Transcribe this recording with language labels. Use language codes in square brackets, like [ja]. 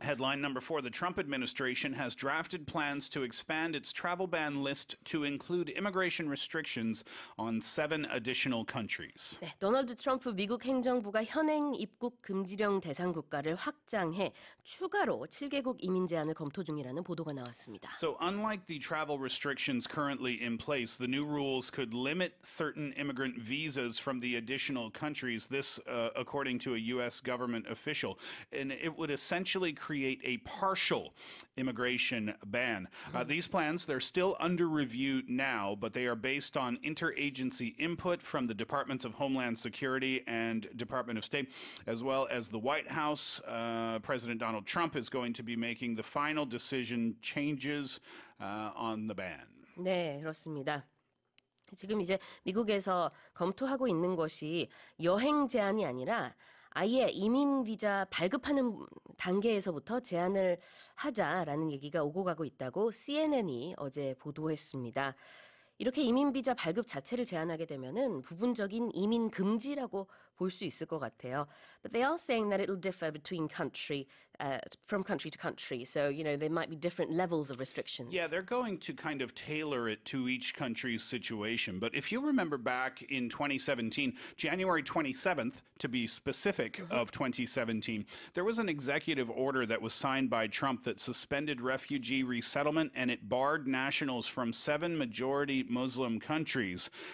[en] Headline number four, the Trump administration has drafted plans to expand its travel ban list to include immigration restrictions on seven additional countries. [ko] 네, 도널드 트럼프 미국 행정부가 현행 입국 금지령 대상 국가를 확장해 추가로 7개국 이민 제한을 검토 중이라는 보도가 나왔습니다. [en] So unlike the travel restrictions currently in place, the new rules could limit certain immigrant visas from the additional countries. This, according to a U.S. government official. And it would essentially create a partial immigration ban. These plans, they're still under review now, but they are based on interagency input from the Departments of Homeland Security and Department of State, as well as the White House. President Donald Trump is going to be making the final decision changes on the ban. [ko] 네, 그렇습니다. 지금 이제 미국에서 검토하고 있는 것이 여행 제한이 아니라 아예 이민 비자 발급하는 단계에서부터 제한을 하자라는 얘기가 오고 가고 있다고 CNN이 어제 보도했습니다. 이렇게 이민 비자 발급 자체를 제한하게 되면은 부분적인 이민 금지라고 볼 수 있을 것 같아요. [en] But they are saying that it'll differ between country, from country to country. So, you know, there might be different levels of restrictions. Yeah, they're going to kind of tailor it to each country's situation. But if you remember back in 2017, January 27th, to be specific, of 2017, there was an executive order that was signed by Trump that suspended refugee resettlement and it barred nationals from seven majority Muslim countries.